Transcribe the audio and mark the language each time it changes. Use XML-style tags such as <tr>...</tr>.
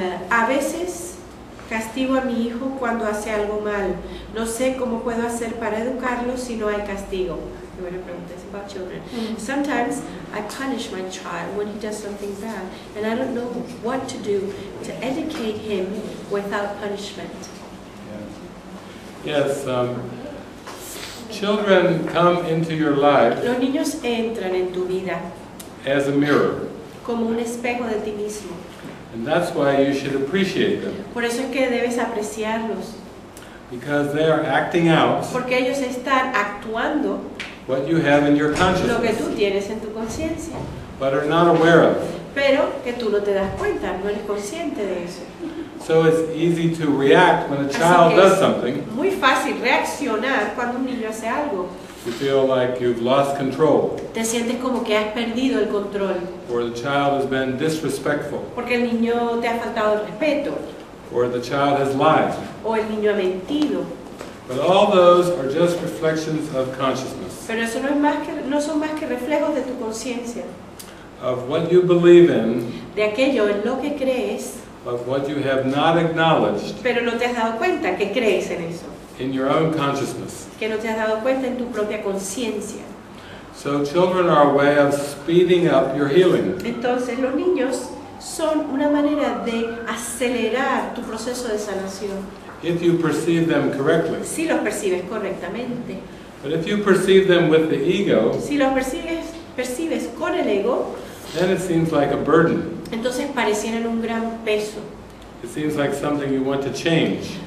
<es>A veces castigo a mi hijo cuando hace algo mal. No sé cómo puedo hacer para educarlo si no hay castigo. Qué buena pregunta, es</es> <en>about children. Sometimes I punish my child when he does something bad, and I don't know what to do to educate him without punishment. Yes. Children come into your life.</en> <es>Los niños entran en tu vida.</es> <en>As a mirror.</en> <es>Como un espejo de ti mismo.</es> <en>And that's why you should appreciate them.</en> <es>Por eso es que debes apreciarlos.</es> <en>Because they are acting out.</en> <es>Porque ellos están actuando.</es> <en>What you have in your consciousness.</en> <es>Lo que tú tienes en tu conciencia.</es> <en>But are not aware of.</en> <es>Pero que tú no te das cuenta, no eres consciente de eso.</es> <en>So it's easy to react when a child does something.</en> <es>Muy fácil reaccionar cuando un niño hace algo.</es> <en>You feel like you've lost control.</en> <es>Te sientes como que has perdido el control.</es> <en>Or the child has been disrespectful.</en> <es>Porque el niño te ha faltado el respeto.</es> <en>Or the child has lied.</en> <es>O el niño ha mentido.</es> <en>But all those are just reflections of consciousness.</en> <es>Pero eso no son más que reflejos de tu conciencia.</es> <en>Of what you believe in.</en> <es>De aquello en lo que crees.</es> <en>Of what you have not acknowledged.</en> <es>Pero no te has dado cuenta que crees en eso.</es> <en>In your own consciousness.</en> <es>Que no te has dado cuenta en tu propia conciencia.</es> <en>So children are a way of speeding up your healing.</en> <es>Entonces los niños son una manera de acelerar tu proceso de sanación.</es> <en>If you perceive them correctly.</en> <es>Si los percibes correctamente.</es> <en>But if you perceive them with the ego.</en> <es>Si los percibes con el ego.</es> <en>Then it seems like a burden.</en> <es>Entonces parecieran un gran peso.</es> <en>It seems like something you want to change.</en>